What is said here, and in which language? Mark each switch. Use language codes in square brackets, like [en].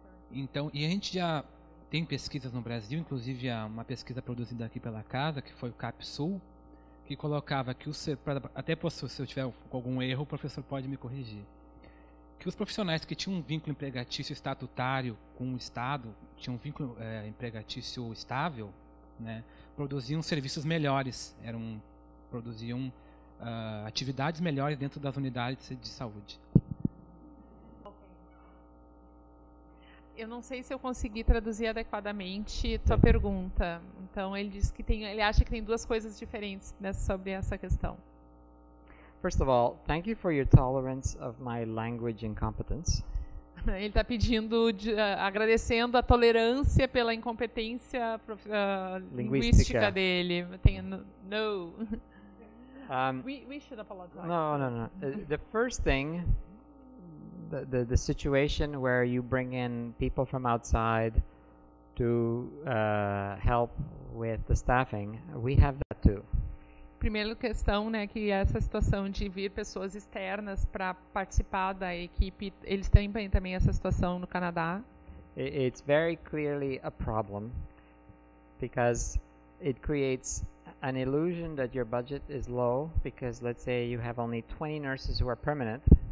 [pt] Então, e a gente já tem pesquisas no Brasil, inclusive há uma pesquisa produzida aqui pela casa, que foi o CAPSUL, que colocava que se eu tiver algum erro, o professor pode me corrigir, que os profissionais que tinham um vínculo empregatício estatutário com o Estado, tinham um vínculo empregatício estável, né, produziam serviços melhores, produziam atividades melhores dentro das unidades de saúde. Eu não sei se eu consegui traduzir adequadamente tua pergunta. Então, ele diz que ele acha que tem duas coisas diferentes sobre essa questão. [en] First of all, thank you for your tolerance of my language incompetence. [pt] Ele está pedindo, agradecendo a tolerância pela incompetência linguística dele. [en] No. We should apologize. No. The first thing, the situation where you bring in people from outside to help with the staffing, we have that too. [pt] Primeira questão, né, que essa situação de vir pessoas externas para participar da equipe, eles têm também essa situação no Canadá. [en] It's very clearly a problem because it creates an illusion that your budget is low because let's say you have only 20 nurses who are permanent.